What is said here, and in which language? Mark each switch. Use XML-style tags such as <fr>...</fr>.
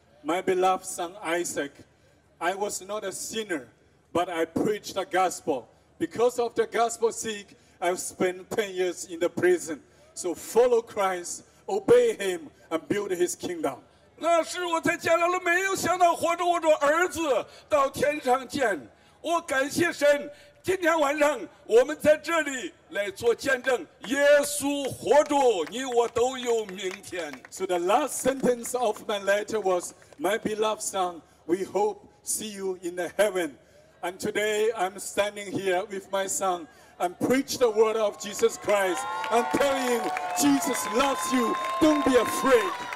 <en>My beloved son Isaac, I was not a sinner, but I preached the gospel. Because of the gospel's sake, I've spent 10 years in the prison. So follow Christ, obey him, and build his kingdom.</en> <zh>那是我在监牢里没有想到活着我的儿子到天上见。我感谢神。今天晚上我们在这里来做见证，耶稣活着，你我都有明天。</zh> <en>So the last sentence of my letter was, "My beloved son, we hope see you in the heaven." And today I'm standing here with my son and preach the word of Jesus Christ and tell you Jesus loves you. Don't be afraid.</en>